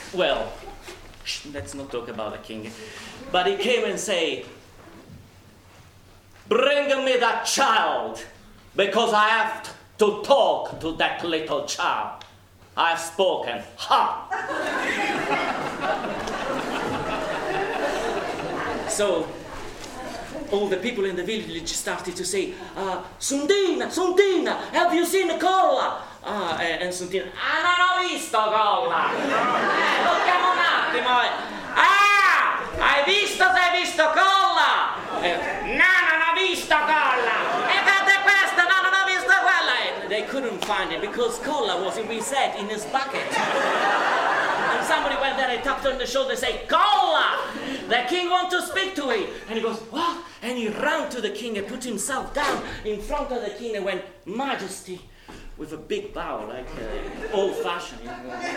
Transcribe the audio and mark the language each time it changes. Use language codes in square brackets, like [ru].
[en] Well, let's not talk about a king. But he came and said, bring me that child, because I have to talk to that little child. I have spoken. Ha! So, all the people in the village started to say, Sundina, Sundina, have you seen Cola? [it] And Sundina, ah, non ho visto Cola. Tocchiamo un attimo. Ah, hai visto se hai visto Cola? No, non ho visto Cola. E fate questa, no, non ho visto quella. [en] And they couldn't find it because Cola was, we said, in his bucket. And somebody went there and tapped on the shoulder and said, Cola! The king wants to speak to him. And he goes, what? And he ran to the king and put himself down in front of the king and went, Majesty, with a big bow, like old-fashioned. You know?